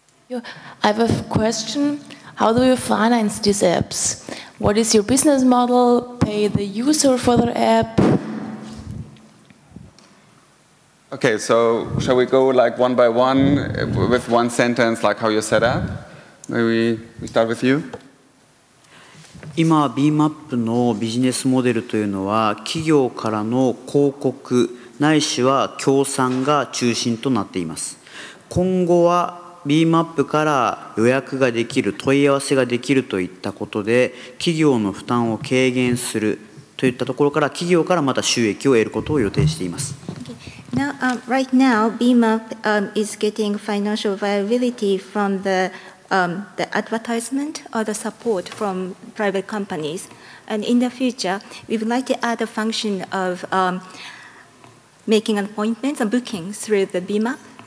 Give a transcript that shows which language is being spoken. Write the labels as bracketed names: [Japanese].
[English] I have a question. How do you finance these apps? What is your business model? Pay the user for their app? Okay, so shall we go like one by one with one sentence, like how you set up? Maybe we start with you. [Japanese] 今 BMAP のビジネスモデルというのは企業からの広告ないしは協賛が中心となっています。今後はBMAP から予約ができる、問い合わせができるといったことで、企業の負担を軽減するといったところから、企業からまた収益を得ることを予定しています。 [English] Okay. Now, right now, BMAP is getting financial viability from the advertisement or the support from private companies. And in the future, we would like to add a function of making appointments and booking through the BMAP.